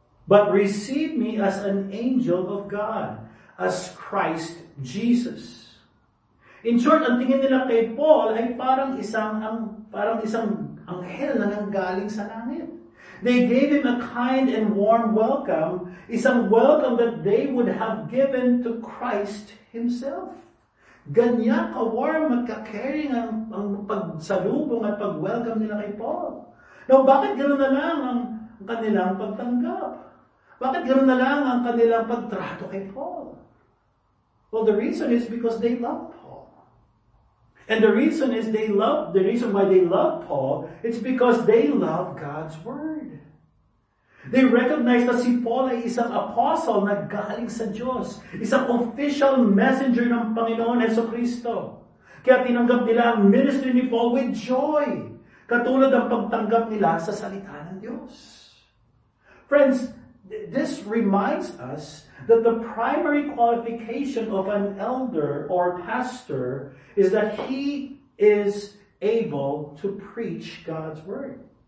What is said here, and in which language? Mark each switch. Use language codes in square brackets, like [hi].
[en] But receive me as an angel of God, as Christ Jesus. [tl] In short, ang tingin nila kay Paul ay parang isang anghel na nanggaling sa langit. [en] They gave him a kind and warm welcome, isang welcome that they would have given to Christ himself. [tl] Ganyan ka-warm, magka-caring ang pagsalubong at pag-welcome nila kay Paul. Now, bakit gano'n na lang ang kanilang pagtanggap? Bakit gano'n na lang ang kanilang pagtrato kay Paul? [en] Well, the reason is because they love Paul. And the reason is the reason why they love Paul, it's because they love God's Word. [tl] They recognize na si Paul ay isang apostle na galing sa Diyos, isang official messenger ng Panginoon Jesucristo. Kaya tinanggap nila ang ministry ni Paul [en] with joy, [tl] katulad ng pagtanggap nila sa salita ng Diyos. [en] Friends, this reminds us that the primary qualification of an elder or pastor is that he is able to preach God's Word.